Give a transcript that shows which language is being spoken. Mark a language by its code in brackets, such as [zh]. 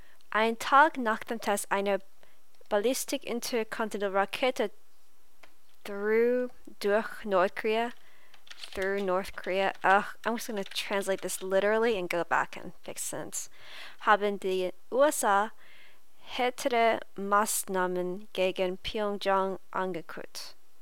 [de] Ein Tag nach dem Test eine [en] ballistic intercontinental [de] Rakete. [en] Through North Korea. Ugh, I'm just gonna translate this literally and go back and fix sense. [de] Haben die USA härtere Maßnahmen gegen Pyongyang angekündigt.